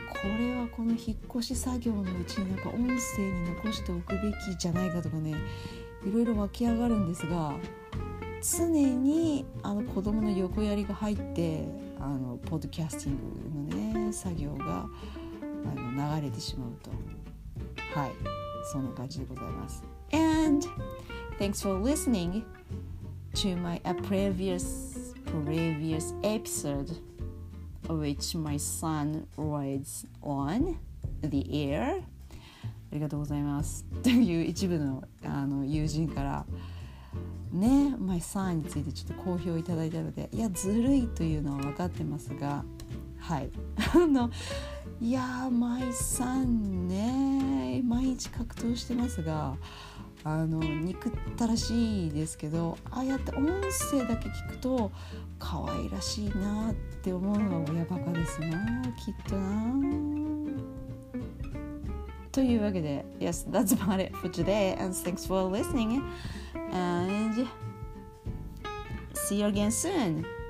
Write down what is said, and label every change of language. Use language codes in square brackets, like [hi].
[ja] いやこれはこの引っ越し作業のうちになんか音声に残しておくべきじゃないかとかね、いろいろ湧き上がるんですが、常にあの子供の横やりが入って、あのポッドキャスティングのね作業があの流れてしまうと、はい、そんな感じでございます。 [en] And thanks for listening to my previous episode which my son rides on the air。 [ja] ありがとうございますという一部 の友人からね、my son についてちょっと好評いただいたので、いやずるいというのは分かってますが、はい、あのいや my son ね毎日格闘してますが、あの憎ったらしいですけど、ああやって音声だけ聞くと可愛らしいなって思うのは親バカですな、きっとな。というわけで、 [en] Yes, that's about it for today and thanks for listening and see you again soon.